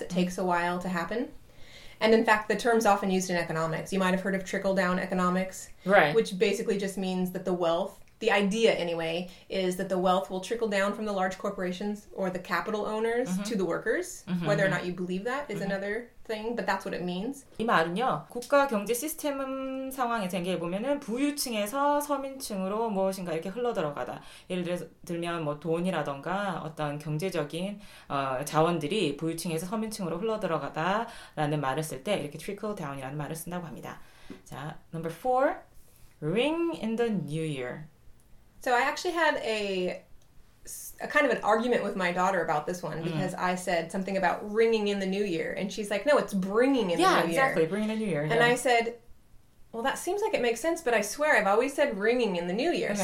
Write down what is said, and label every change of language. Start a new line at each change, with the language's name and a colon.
English: It takes a while to happen. And in fact, the term's often used in economics. You might have heard of trickle-down economics. Right. Which basically just means that the idea, anyway, is that the wealth will trickle down from the large corporations or the capital owners to the workers. Whether or not you believe that is another thing, but that's what it means.
Korean: 이 말은요, 국가 경제 시스템 상황에 대해 보면은 부유층에서 서민층으로 무엇인가 이렇게 흘러들어가다. 예를 들면 뭐 돈이라던가 어떤 경제적인 자원들이 부유층에서 서민층으로 흘러들어가다라는 말을 쓸 때 이렇게 trickle down이라는 말을 쓴다고 합니다.
English: 자, number four, ring in the new year. So I actually had a kind of an argument with my daughter about this one because I said something about ringing in the new year. And she's like, no, it's bringing in the new year. Yeah, exactly. Bringing in the new year. And I said, well, that seems like it makes sense, but I swear I've always said ringing in the new year. Okay.